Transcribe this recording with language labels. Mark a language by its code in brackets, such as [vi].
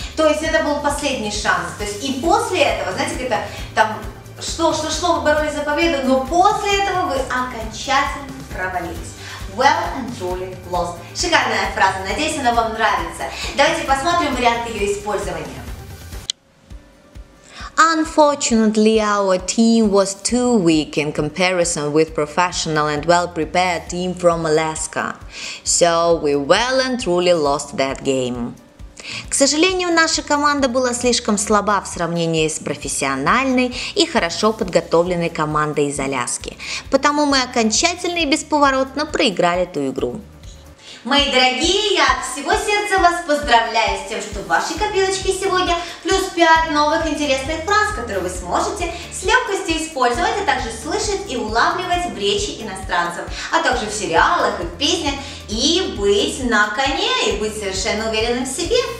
[ru] То есть это был последний шанс. То есть и после этого, знаете, когда там что, вы боролись за победу, но после этого вы окончательно провалились. [en] Well and truly lost. [ru] Шикарная фраза, надеюсь, она вам нравится. Давайте посмотрим вариант ее использования. [en] Unfortunately, our team was too weak in comparison with professional and well-prepared team from Alaska. So we well and truly lost that game. [ru] К сожалению, наша команда была слишком слаба в сравнении с профессиональной и хорошо подготовленной командой из Аляски. Потому мы окончательно и бесповоротно проиграли эту игру. Мои дорогие, я от всего сердца вас поздравляю с тем, что в вашей копилочке сегодня плюс 5 новых интересных фраз, которые вы сможете с легкостью использовать, а также слышать и улавливать в речи иностранцев, а также в сериалах и в песнях, и быть на коне, и быть совершенно уверенным в себе.